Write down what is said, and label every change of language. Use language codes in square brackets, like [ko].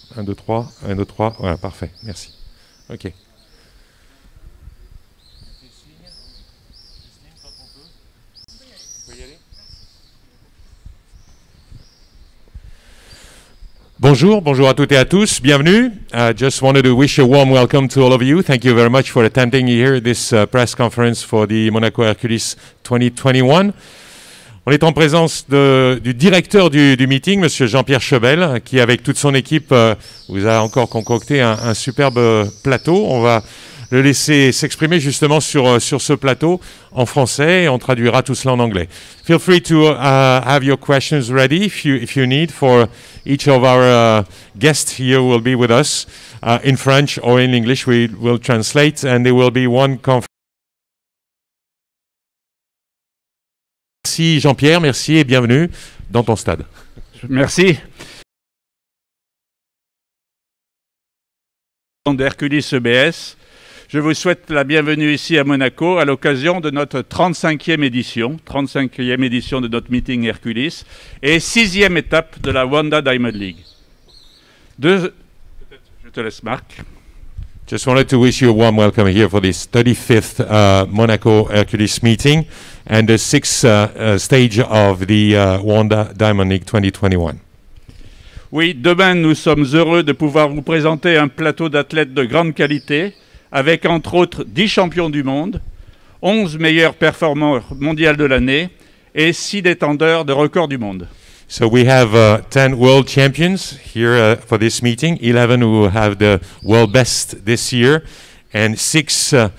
[fr] 1, 2, 3, 1, 2, 3, voilà, parfait, merci. Ok. Bonjour, bonjour à toutes et à tous, bienvenue. [en] I just wanted to wish a warm welcome to all of you. Thank you very much for attending here this press conference for the Monaco Herculis 2021. [fr] On est en présence du directeur du meeting, Monsieur Jean-Pierre Schoebel, qui avec toute son équipe vous a encore concocté un superbe plateau. On va le laisser s'exprimer justement sur ce plateau en français et on traduira tout cela en anglais. [en] Feel free to have your questions ready if you need for each of our guests here will be with us in French or in English. We will translate and there will be one conference. [fr] Merci Jean-Pierre, merci et bienvenue dans ton stade. Merci. D'Herculis EBS, je vous souhaite la bienvenue ici à Monaco à l'occasion de notre 35e édition de notre meeting Herculis et 6e étape de la Wanda Diamond League. Je te laisse Marc. [en] Just wanted to wish you a warm welcome here for this 35th Monaco Herculis meeting and the sixth stage of the Wanda Diamond League 2021. [fr] Oui, demain nous sommes heureux de pouvoir vous présenter un plateau d'athlètes de grande qualité avec entre autres 10 champions du monde, 11 meilleurs performeurs mondiaux de l'année et 6 détenteurs de records du monde. [en] So we have 10 world champions here for this meeting, 11 who have the world best this year, and 6